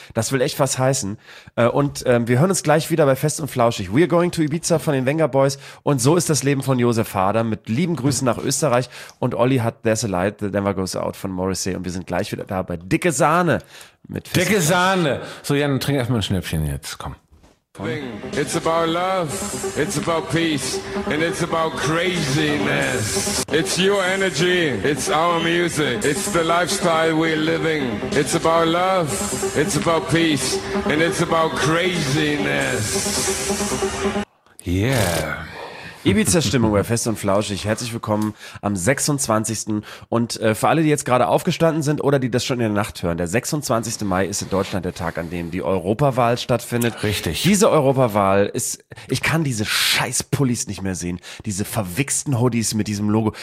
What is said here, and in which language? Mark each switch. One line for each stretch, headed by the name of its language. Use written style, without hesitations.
German: Das will echt was heißen. Und wir hören uns gleich wieder bei Fest und Flauschig. We're going to Ibiza von den Wenger Boys und So ist das Leben von Josef Harder mit lieben Grüßen nach Österreich. Und Olli hat There's a Light, The Never Goes Out von Morrissey. Und wir sind gleich wieder da bei Dicke Sahne. Mit Fest Dicke Sahne. So, Jan, trink erstmal ein Schnäppchen jetzt. Komm.
English: It's about love, it's about peace, and it's about craziness. It's your energy, it's our music, it's the lifestyle we're living. It's about love, it's about peace, and it's about craziness. Yeah.
German: Ibiza-Stimmung bei Fest und Flauschig. Herzlich willkommen am 26. Und für alle, die jetzt gerade aufgestanden sind oder die das schon in der Nacht hören, der 26. Mai ist in Deutschland der Tag, an dem die Europawahl stattfindet. Richtig. Diese Europawahl ist, ich kann diese Scheißpullis nicht mehr sehen, diese verwichsten Hoodies mit diesem Logo.